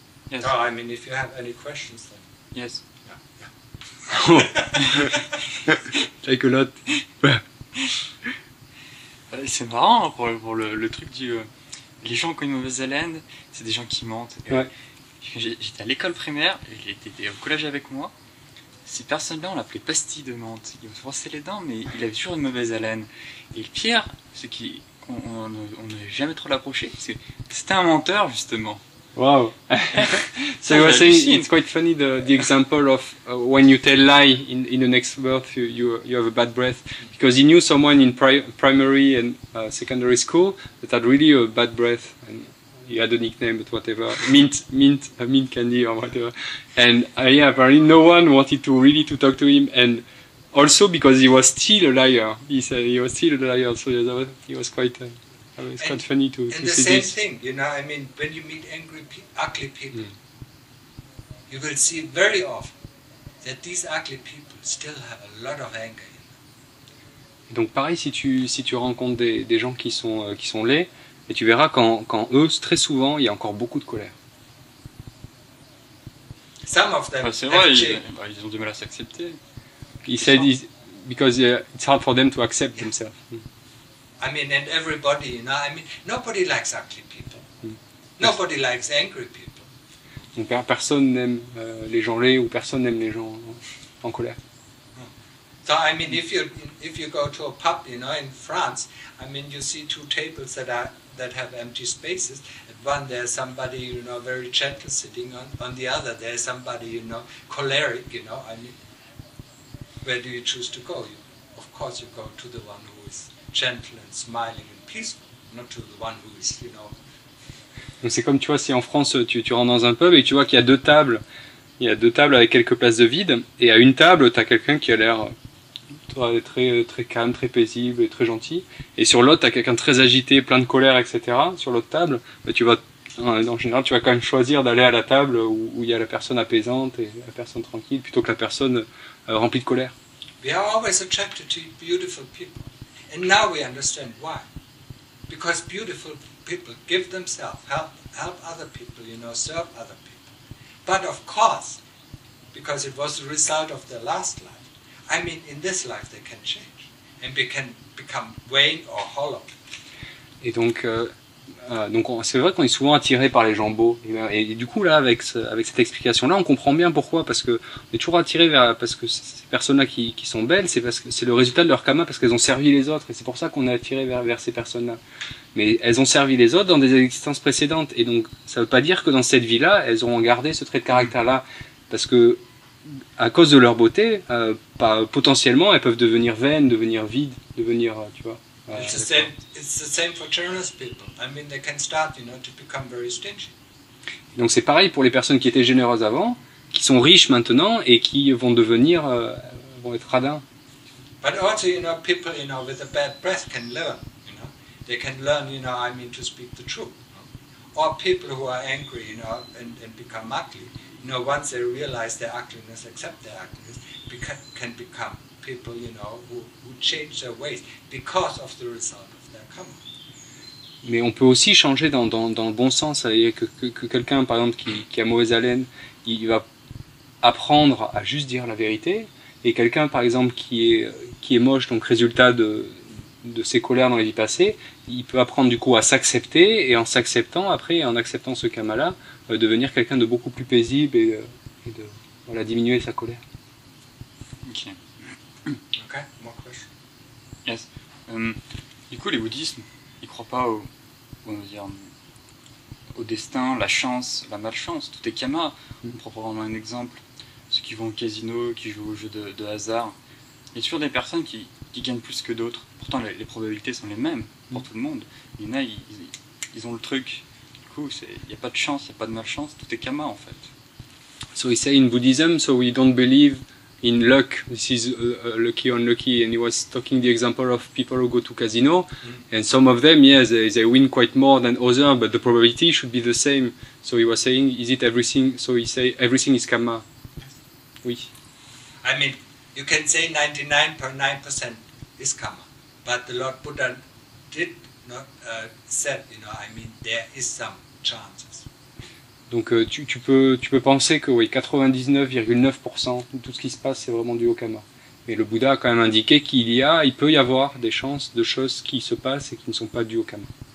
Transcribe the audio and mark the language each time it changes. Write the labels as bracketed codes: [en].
[en] Yes. Oh, I mean, if you have any questions, then. Yes. Yeah. Take a lot. [fr] C'est marrant pour le truc du les gens qui ont une mauvaise haleine, c'est des gens qui mentent. Ouais. J'étais à l'école primaire, il était au collège avec moi. Ces personnes-là, on l'appelait pastille de menthe. Il se brossait les dents, mais il avait toujours une mauvaise haleine. Et le pire, c'est qu'on n'a jamais trop l'approché, parce que c'était un menteur, justement. [en] Wow. So you were saying it's quite funny the example of when you tell lie in the next birth you have a bad breath, because he knew someone in primary and secondary school that had really a bad breath. And he had a nickname, but whatever, mint candy or whatever. And apparently no one wanted to really to talk to him. And also because he was still a liar. He said he was still a liar. So it was quite funny to see this. And the same thing, you know, I mean, when you meet angry, ugly people, you will see very often that these ugly people still have a lot of anger in them. [fr] Donc pareil, si tu rencontres des gens qui sont laids, et tu verras qu'en eux, très souvent, il y a encore beaucoup de colère. [en] Some of them, [fr] c'est vrai, ils ont du mal à s'accepter. Il a dit, [en] because it's hard for them to accept themselves. I mean, and everybody, you know, I mean, nobody likes ugly people. Nobody likes angry people. [fr] Donc personne n'aime les gens laids ou personne n'aime les gens en colère. [en] So I mean, if you go to a pub, you know, in France, I mean, you see two tables that have empty spaces. At one there's somebody, you know, very gentle sitting on the other there's somebody, you know, choleric, you know. I mean, where do you choose to go? Of course you go to the one who is gentle and smiling and peaceful, not to the one who is, you know. [fr] Donc c'est comme, tu vois, si en France tu rentres dans un pub et tu vois qu'il y a deux tables avec quelques places de vide, et à une table t'as quelqu'un qui a l'air toi, elle est très, très calme, très paisible et très gentille. Et sur l'autre, tu as quelqu'un de très agité, plein de colère, etc. Sur l'autre table, bah, tu vas, en général, tu vas quand même choisir d'aller à la table où il y a la personne apaisante et la personne tranquille plutôt que la personne remplie de colère. [en] We are always attracted to beautiful people. And now we understand why. Because beautiful people give themselves, help other people, you know, serve other people. But of course, because it was the result of their last life, I mean, in this life they can change. And they can become vain or hollow. [fr] Et donc, c'est vrai qu'on est souvent attiré par les gens beaux. Et du coup, là, avec cette explication-là, on comprend bien pourquoi. Parce qu'on est toujours attiré parce que ces personnes-là qui sont belles, c'est parce que c'est le résultat de leur karma, parce qu'elles ont servi les autres. Et c'est pour ça qu'on est attiré vers ces personnes-là. Mais elles ont servi les autres dans des existences précédentes. Et donc, ça ne veut pas dire que dans cette vie-là, elles auront gardé ce trait de caractère-là. Parce que, à cause de leur beauté, potentiellement, elles peuvent devenir vaines, devenir vides, devenir, tu vois. [en] It's the same for generous people. I mean, they can start, you know, to become very stingy. [fr] Donc c'est pareil pour les personnes qui étaient généreuses avant, qui sont riches maintenant et qui vont devenir, vont être radins. [en] But also, you know, people, you know, with a bad breath can learn. You know, they can learn, you know, I mean, to speak the truth. Or people who are angry, you know, and become ugly. You know, once they realize their ugliness, accept their ugliness, can become people, you know, who change their ways because of the result of their karma. [fr] Mais on peut aussi changer dans le bon sens, c'est-à-dire que quelqu'un, par exemple, qui a mauvaise haleine, il va apprendre à juste dire la vérité, et quelqu'un, par exemple, qui est moche, donc résultat de ses colères dans les vies passées, il peut apprendre du coup à s'accepter, et en s'acceptant, après, en acceptant ce karma-là, devenir quelqu'un de beaucoup plus paisible et de voilà, diminuer sa colère. [en] Ok. Ok, more question. Yes. [fr] Du coup, les bouddhistes, ils croient pas au destin, la chance, la malchance, tout est karma. On prend probablement un exemple, ceux qui vont au casino, qui jouent au jeu de hasard. Il y a toujours des personnes qui gagnent plus que d'autres. Pourtant, les probabilités sont les mêmes pour tout le monde. Il y en a, ils ont le truc. Du coup, il n'y a pas de chance, il n'y a pas de malchance, tout est karma en fait. [en] So we say in Buddhism, so we don't believe in luck, this is lucky or unlucky, and he was talking the example of people who go to casino, and some of them, yes, they win quite more than others, but the probability should be the same. So he was saying, is it everything? So he say everything is karma. [fr] Oui. [en] I mean, you can say 99.9% is karma, but the Lord Buddha did not said, you know, I mean, there is some chances. [fr] Donc tu peux penser que oui, 99,9% de tout ce qui se passe, c'est vraiment dû au karma. Mais le Bouddha a quand même indiqué qu'il peut y avoir des chances de choses qui se passent et qui ne sont pas dues au karma.